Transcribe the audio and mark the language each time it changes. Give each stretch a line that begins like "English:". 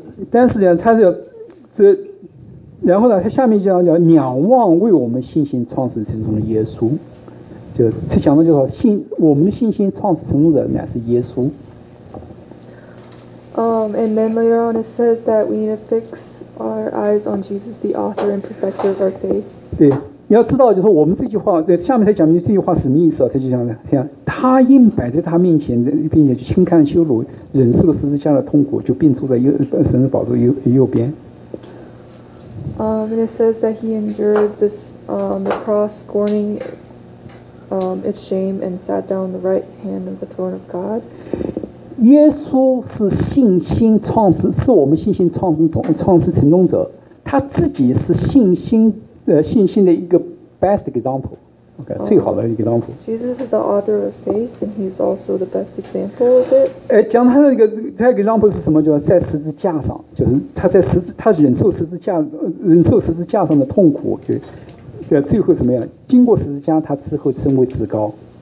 Chinese: 但是呢，他是这，然后呢，他下面就讲仰望为我们信心创始成终的耶稣，就他讲的就是信我们的信心创始成终者乃是耶稣。
English: And then later on it says that we need to fix our eyes on Jesus, the author and perfecter of our faith.
Chinese: 对。你要知道，就是说我们这句话在下面才讲的这句话是什么意思啊？他就讲的，他应摆在他面前，并且就轻看羞辱，忍受了十字架的痛苦，就并坐在神的宝座右边。
English: And it says that he endured this the cross, scorning its shame, and sat down the right hand of the throne of God.
Chinese: 耶稣是信心创始，是我们信心创始成功者，他自己是信心。信心的一个 best example， OK， 最好的一个 example。
English: Jesus is the author of faith, and he's also the best example of it。
Chinese: 讲他的一个这个 example 是什么？就是在十字架上，就是他忍受十字架上的痛苦，就最后怎么样？经过十字架，他之后升为至高。